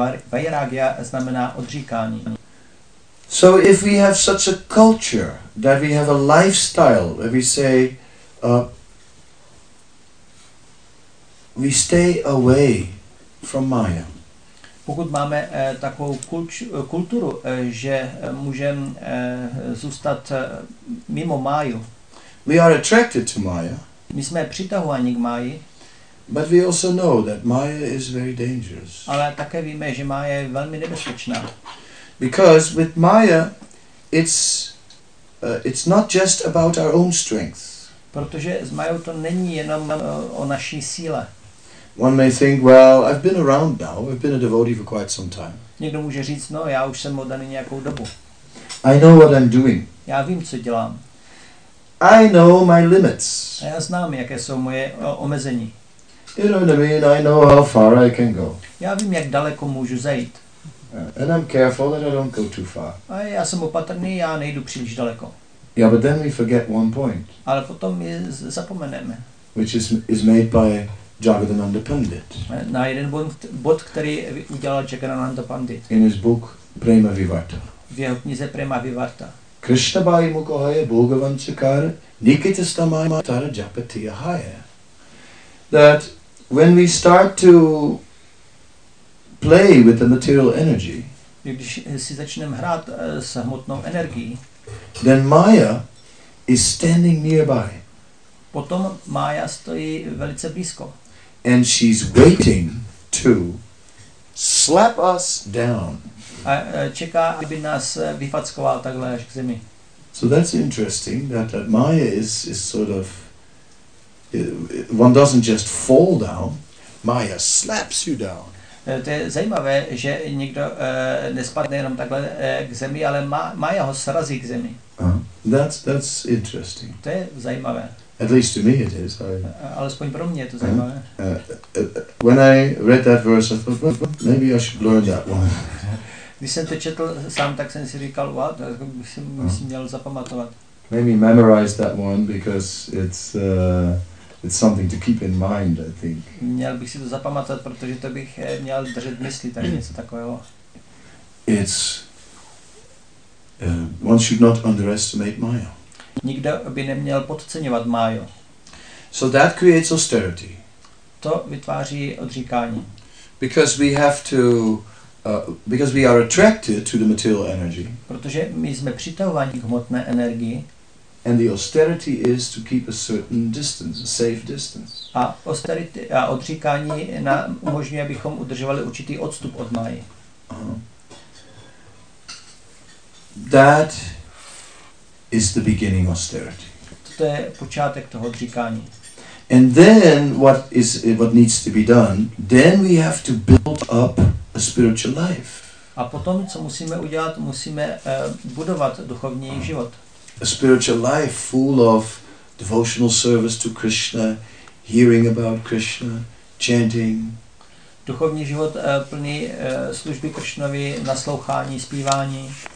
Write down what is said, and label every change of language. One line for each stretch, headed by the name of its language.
Czech: Vairagya znamená odříkání.
English: So if we have such a culture that we have a lifestyle that we say we stay away from Maya.
Czech: Pokud máme takovou kulturu, že můžeme zůstat mimo Maju.
English: We are attracted to Maya.
Czech: My jsme přitahováni k Maji.
English: But we also know that Maya is very dangerous.
Czech: Ale také víme, že Maja je velmi nebezpečná.
English: Because with Maya, it's not just about our own strength.
Czech: Protože s Majou to není jenom o naší síle.
English: One may think, well, I've been around now. I've been a devotee for quite some time.
Czech: Někdo může říct, no, já už jsem oddaný nějakou dobu.
English: I know what I'm doing.
Czech: Já vím, co dělám.
English: I know my limits.
Czech: A já znám, jaké jsou moje omezení.
English: You know what I mean? I know how far I can go.
Czech: Já vím, jak daleko můžu zajít.
English: And I'm careful that I don't go too far.
Czech: A já jsem opatrný, já nejdu příliš daleko.
English: Yeah, but then we forget one point.
Czech: Ale potom je zapomeneme.
English: Which is made by Jagadananda Pandit.
Czech: Na jeden bod, který udělal Jagadananda Pandit.
English: In his book Prema Vivarta.
Czech: V jeho knize Prema Vivarta.
Sanskrit: Krishna bhai mukohaya bhogavan chakara nikitastamaya matara japatiya haya.
English: That when we start to play with the material energy.
Czech: Když si začneme hrát s hmotnou energií.
English: Then Maya is standing nearby.
Czech: Potom Maya stojí velice blízko.
English: And she's waiting to slap us down.
Czech: A čeká, aby nás vyfackoval takhle až k zemi.
English: So that's interesting that Maya is sort of one doesn't just fall down, Maya slaps you down.
Czech: To je zajímavé, že někdo nespadne jenom takhle k zemi, ale Maja ho srazí k zemi.
English: That's interesting.
Czech: To je zajímavé.
English: At least to me it is.
Czech: Alespoň pro mě je to zajímavé.
English: When I read that verse, I thought, maybe I should learn that one.
Czech: Když jsem to četl sám, tak jsem si říkal, wow, tak bych si měl zapamatovat.
English: Maybe memorize that one, because it's something to keep in mind, I think.
Czech: Měl bych si to zapamatovat, protože to bych měl držet mysli, tak něco takového.
English: One should not underestimate Maya.
Czech: Nikdo by neměl podceňovat Maju.
English: So that creates austerity.
Czech: To vytváří odříkání.
English: Because we have to because we are attracted to the material energy.
Czech: Protože my jsme přitahováni k hmotné energii.
English: And the austerity is to keep a certain distance, a safe distance.
Czech: A austerity a odříkání nám umožňuje, abychom udržovali určitý odstup od Maji.
English: That is the beginning austerity.
Czech: To je počátek toho odříkání.
English: And then what needs to be done? Then we have to build up a spiritual life.
Czech: A potom co musíme udělat? Musíme budovat duchovní život.
English: A spiritual life full of devotional service to Krishna, hearing about Krishna, chanting.
Czech: Duchovní život plný služby Krishnovi, naslouchání, zpívání.